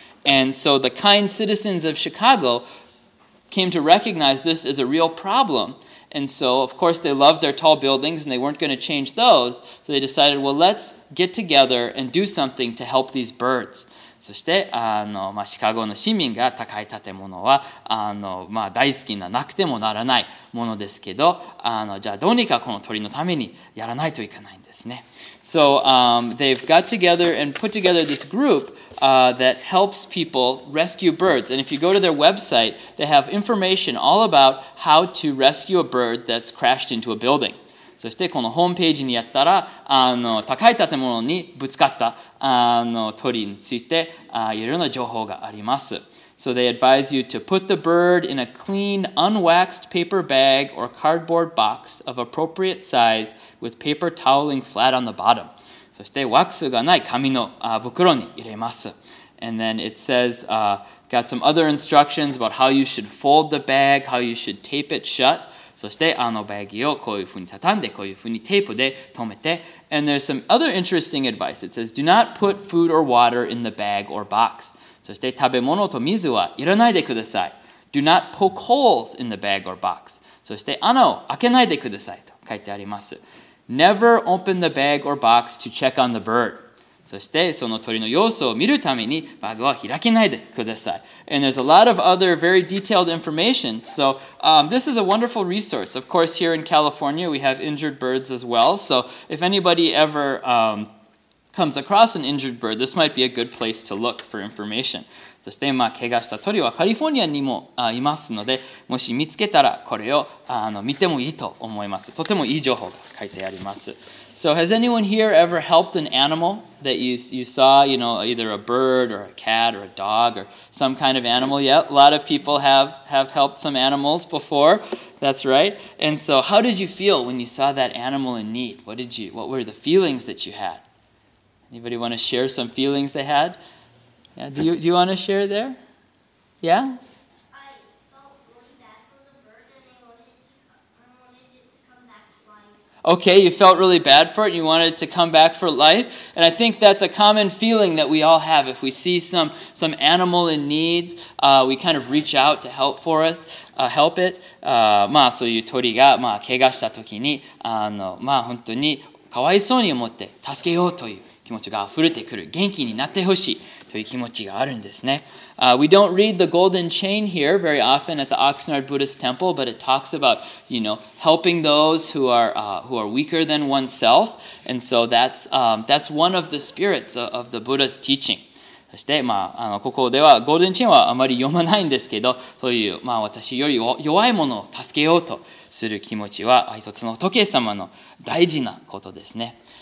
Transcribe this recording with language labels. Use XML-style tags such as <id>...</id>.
<en>And so the kind citizens of Chicago came to recognize this as a real problem. And so, of course, they loved their tall buildings and they weren't going to change those. So they decided, well, let's get together and do something to help these birds.</en> <ja>そして、あの、まあ、シカゴの市民が高い建物は、あの、まあ、大好きななくてもならないものですけど、あの、じゃあどうにかこの鳥のためにやらないといけないんですね。</ja> <en>So they've got together and put together this group that helps people rescue birds. And if you go to their website, they have information all about how to rescue a bird that's crashed into a building.</en> <ja>そしてこのホームページにやったら、あの高い建物にぶつかったあの鳥について、いろんな情報があります。</ja> <en>So they advise you to put the bird in a clean, unwaxed paper bag or cardboard box of appropriate size with paper toweling flat on the bottom.</en> <ja>そしてワックスがない紙の袋に入れます。</ja> <en>And then it says, got some other instructions about how you should fold the bag, how you should tape it shut.</en> <ja>そしてあのバッグをこういうふうに畳んで、こういうふうにテープで留めて。</ja> <en>And there's some other interesting advice. It says, do not put food or water in the bag or box.</en> <ja>そして食べ物と水はいらないでください。</ja> <en>Do not poke holes in the bag or box.</en> <ja>そして穴を開けないでくださいと書いてあります。</ja> <en>Never open the bag or box to check on the bird.</en> <ja>そしてその鳥の様子を見るためにバッグは開けないでください。</ja> <en>And there's a lot of other very detailed information. So this is a wonderful resource. Of course, here in California, we have injured birds as well. So if anybody ever... comes across an injured bird, this might be a good place to look for information.</en> <ja>そして、まあ、怪我した鳥はカリフォルニアにもいますので、もし見つけたらこれをあの見てもいいと思います。とてもいい情報が書いてあります。</ja> <en>So has anyone here ever helped an animal that you saw, you know, either a bird or a cat or a dog or some kind of animal yet? A lot of people have helped some animals before. That's right. And so how did you feel when you saw that animal in need? What were the feelings that you had? Anybody want to share some feelings they had? Yeah, do you want to share there? Yeah? I felt really bad for the bird and I wanted it to come back to life. Okay, you felt really bad for it and you wanted it to come back for life. And I think that's a common feeling that we all have. If we see some animal in need, we kind of reach out to help for us, help it.</en> <ja>まあそういう鳥がまあ怪我した時にあのまあ本当にかわいそうに思って助けようという。気持ちが溢れてくる、元気になってほしいという気持ちがあるんですね。</ja> <en>We don't read the golden chain here very often at the Oxnard Buddhist Temple, but it talks about, you know, helping those who are weaker than oneself. And so that's one of the spirits of the Buddha's teaching.</en> <ja>そして、まあ、あのここでは、ゴールデンチェーンはあまり読まないんですけど、そういう、まあ、私より弱いものを助けようとする気持ちは、一つの仏様の大事なことですね。</ja>